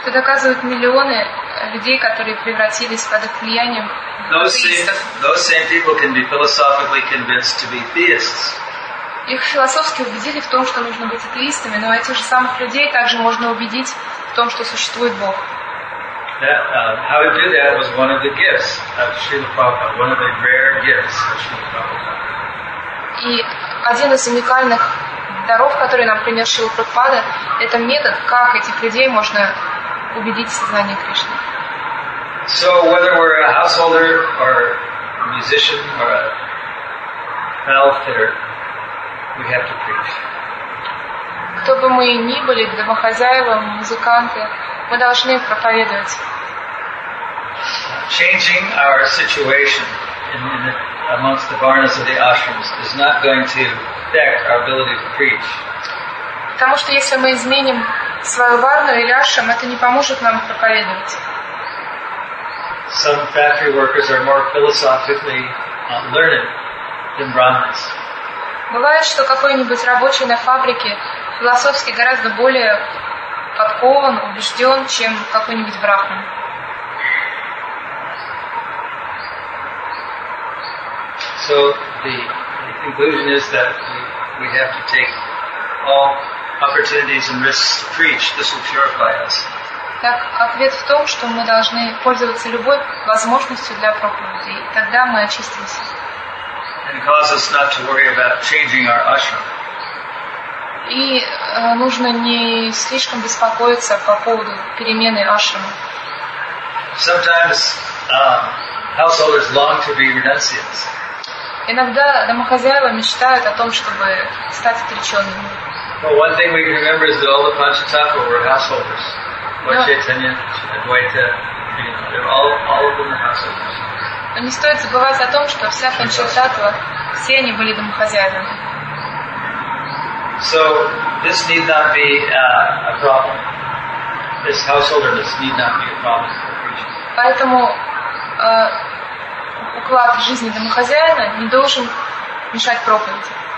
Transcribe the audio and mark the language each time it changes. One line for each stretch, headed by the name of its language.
Russian: Что доказывают миллионы людей, которые превратились под их влиянием в атеистов.
English: Those same people can be philosophically convinced to be theists.
Russian: Их философски убедили в том, что нужно быть атеистами, но этих же самых людей также можно убедить в том, что существует Бог.
English: How to do that was one of the gifts of Srila Prabhupada, one of the rare gifts of Srila Prabhupada.
Russian: И один из уникальных даров, который нам принес Шрила Прабхупада, это метод, как этих людей можно убедить в сознании Кришны.
English: So whether we're a householder or a musician or a malefactor, we have to preach.
Russian: Кто бы мы ни были, домохозяева, музыканты, мы должны проповедовать.
English: Changing our situation amongst the varnas of the ashrams is not going to affect our ability to preach.
Russian: Потому что если мы изменим свою варну или ашрам, это не поможет нам проповедовать.
English: Some factory workers are more philosophically learned than Brahmins.
Russian: Бывает, что какой-нибудь рабочий на фабрике философски гораздо более подкован, убежден, чем какой-нибудь брахман.
English: So the conclusion is that we have to take all opportunities and risks to preach. This will purify us.
Russian: Так, ответ в том, что мы должны пользоваться любой возможностью для проповеди, и тогда мы очистимся.
English: And cause us not to worry about changing our ashram.
Russian: И нужно не слишком беспокоиться по поводу перемены ашрама.
English: Sometimes householders long to be renunciates.
Russian: Иногда домохозяева мечтают о том, чтобы стать отреченными.
English: Well, one thing we can remember is that all the Panchatattva were householders. Chaitanya, Advaita, all of them were householders.
Russian: Но не стоит забывать о том, что вся Панчататва, все они были домохозяевами.
English: So this need not be a problem. This householderness need not be a problem for preaching.
Russian: Поэтому уклад жизни домохозяина не должен мешать проповеди.